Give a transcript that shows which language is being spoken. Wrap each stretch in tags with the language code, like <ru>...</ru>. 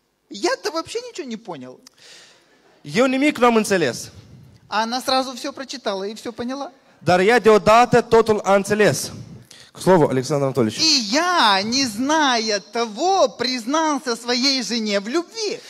<ru>Я-то вообще ничего не понял.</ru> <ro>Eu nimic nu am înțeles.</ro> <ru>А она сразу все прочитала и все поняла.</ru> <ro>Dar ea deodată totul a înțeles.</ro> <ru>К слову, Александр Анатольевич. И я, не зная того, признался своей жене в любви.</ru>